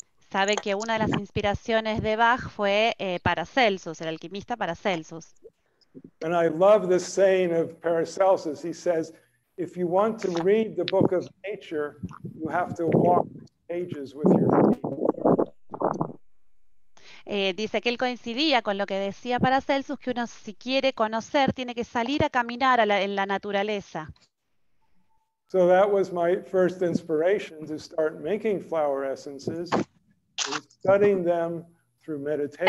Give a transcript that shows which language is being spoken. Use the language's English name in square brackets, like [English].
[Spanish] Sabe que una de las inspiraciones de Bach fue Paracelsus, el alquimista Paracelsus. [English] And I love this saying of Paracelsus. He says, if you want to read the book of nature, you have to walk pages with your feet. [Spanish] Dice que él coincidía con lo que decía Paracelsus, que uno si quiere conocer, tiene que salir a caminar en la naturaleza. [English] So that was my first inspiration to start making flower essences and studying them through meditation.